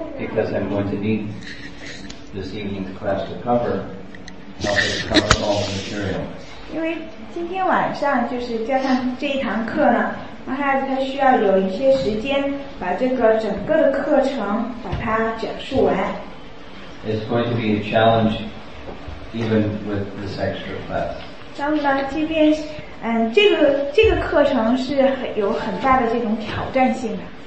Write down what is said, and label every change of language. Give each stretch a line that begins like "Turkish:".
English: because I'm going to need this evening's class to cover, help us cover all the material.
Chinese: 因为今天晚上就是加上这一堂课呢，马哈他需要有一些时间把这个整个的课程把它讲述完。
English: It's going to be a challenge even with this extra class.
Chinese: 当然，即便这个课程是有很大的这种挑战性的。